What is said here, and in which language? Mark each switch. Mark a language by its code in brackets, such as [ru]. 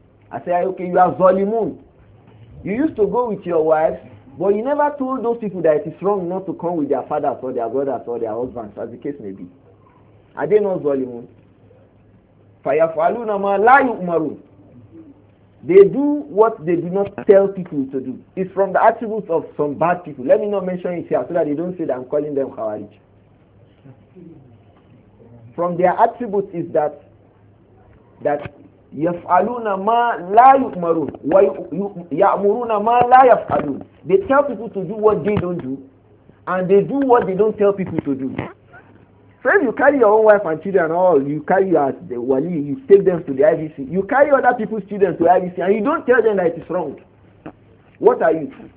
[en] I said, okay, you are Zolimun. You used to go with your wives, but you never told those people that it is wrong not to come with their fathers or their brothers or their husbands, as the case may be. Are they not Zolimun? [ar] فَيَفْعَلُونَ مَا لَا يُؤْمَرُونَ. [en] They do what they do not tell people to do. It's from the attributes of some bad people. Let me not mention it here so that they don't say that I'm calling them Khawarij. From their attributes is that [ar] يَفْعَلُونَ مَا لَا يُؤْمَرُونَ وَيَأْمُرُونَ مَا لَا يَفْعَلُونَ. [en] They tell people to do what they don't do, and they do what they don't tell people to do. So if you carry your own wife and children and all, you carry your the wali, you take them to the IVC, you carry other people's children to the IVC, and you don't tell them that it is wrong, what are you?